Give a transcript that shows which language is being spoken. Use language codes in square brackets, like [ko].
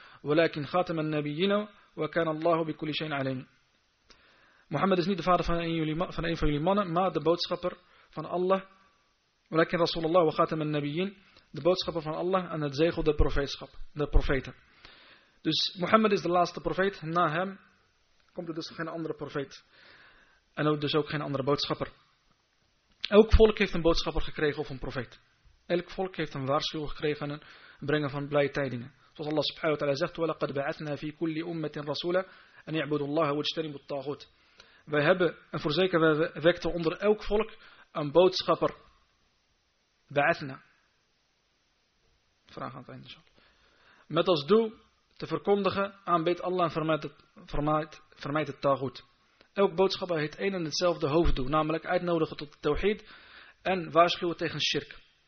[ar] ولكن خاتم النبيين وكان الله بكل شيء عليم. [nl] محمد is niet de vader van een van jullie mannen, maar de boodschapper van Allah. [ar] ولكن رسول الله وخاتم النبيين, [nl] de boodschapper van Allah en het zegel der profeetschap, de profeten. Dus Mohammed is de laatste profeet. Na hem komt er dus geen andere profeet. En ook dus ook geen andere boodschapper. Elk volk heeft een boodschapper gekregen of een profeet. Elk volk heeft een waarschuwing gekregen en een brengen van blije tijdingen. Zoals Allah subhanahu wa ta'ala zegt, [ar] وَلَقَدْ بَعَثْنَا فِي كُلِّ أُمَّةٍ رَسُولًا أَنْ يَعْبُدُوا اللَّهَ وَاجْتَنِبُوا الطَّاغُوتَ. [nl] Wij hebben, en voorzeker, wij wekten onder elk volk een boodschapper. [ar] بَعَثْنَا. [nl] Vraag aan het einde. Met als doel te verkondigen, aanbid Allah en vermijd het taghut. Elk boodschapper heeft één en hetzelfde hoofddoel, namelijk uitnodigen tot de tawhid en waarschuwen tegen shirk.